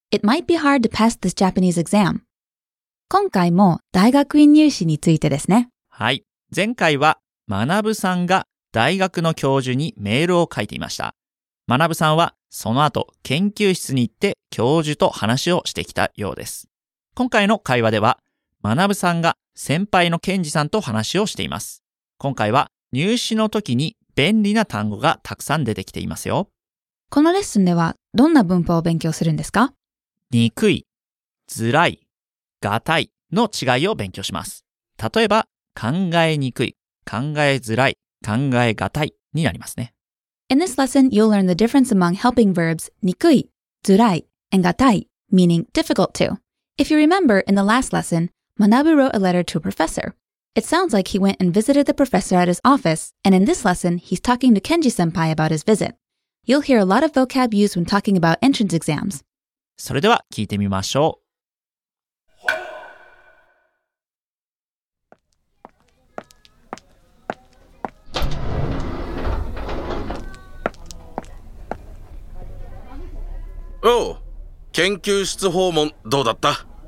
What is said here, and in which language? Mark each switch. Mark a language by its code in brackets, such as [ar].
[en] It might be hard to pass this Japanese exam. [ja] 今回も大学院入試についてですね。はい。前回は、まなぶさんが大学の教授にメールを書いていました。まなぶさんはその後研究室に行って教授と話をしてきたようです。今回の会話では、まなぶさんが先輩のケンジさんと話をしています。今回は入試の時に便利な単語がたくさん出てきていますよ。このレッスンではどんな文法を勉強するんですか？にくい、づらい、がたいの違いを勉強します。例えば、考えにくい、考えづらい、考えがたいになりますね。 [en] In this lesson, you'll learn the difference among helping verbs にくい、づらい、and がたい, meaning difficult to. If you remember, in the last lesson, Manabu wrote a letter to a professor. It sounds like he went and visited the professor at his office, and in this lesson, he's talking to Kenji-senpai about his visit. You'll hear a lot of vocab used when talking about entrance exams. [ja] それでは聞いてみましょう。おう、研究室訪問どうだった？